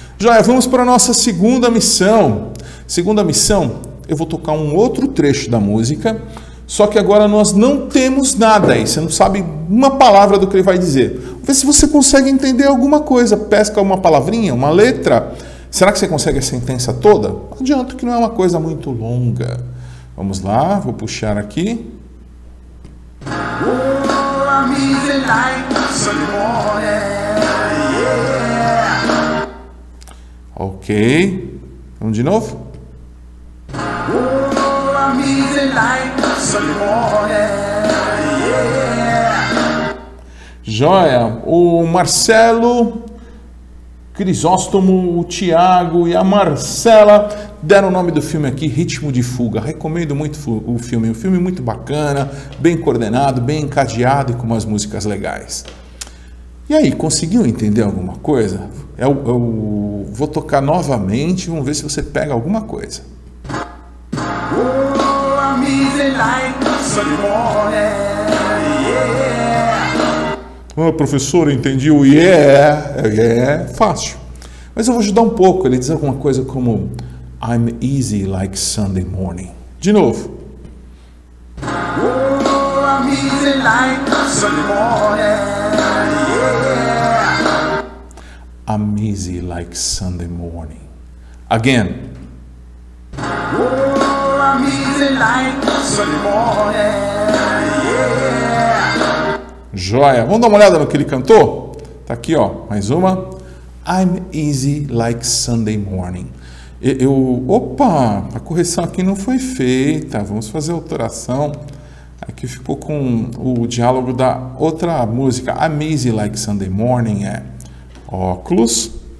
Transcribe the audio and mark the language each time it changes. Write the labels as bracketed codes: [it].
[pt] Joia, vamos para a nossa segunda missão. Segunda missão, eu vou tocar um outro trecho da música, só que agora nós não temos nada aí. Você não sabe uma palavra do que ele vai dizer. Vê se você consegue entender alguma coisa. Pesca uma palavrinha, uma letra. Será que você consegue a sentença toda? Adianto que não é uma coisa muito longa. Vamos lá, vou puxar aqui. [en] Oh, I'm easy like Sunday morning, yeah. Ok. [pt] Vamos de novo? [en] Oh, I'm easy like Sunday morning, yeah. [pt] Joia. O Marcelo, Crisóstomo, o Thiago e a Marcela deram o nome do filme aqui, Ritmo de Fuga. Recomendo muito o filme. Um filme muito bacana, bem coordenado, bem encadeado e com umas músicas legais. E aí, conseguiu entender alguma coisa? Eu vou tocar novamente, vamos ver se você pega alguma coisa. [en] Oh, I'm easy like Sunday morning, yeah. [pt] Oh, professor, entendi o yeah, yeah, fácil. Mas eu vou ajudar um pouco, ele diz alguma coisa como [en] I'm easy like Sunday morning. [pt] De novo. [en] Oh, I'm easy like Sunday morning, yeah. I'm easy like Sunday morning. Again. Oh, I'm easy like Sunday morning, yeah. [pt] Joia. Vamos dar uma olhada no que ele cantou? Tá aqui, ó. Mais uma. [en] I'm easy like Sunday morning. [pt] Opa! A correção aqui não foi feita. Vamos fazer a alteração. Aqui ficou com o diálogo da outra música. [en] I'm easy like Sunday morning. [pt] É óculos.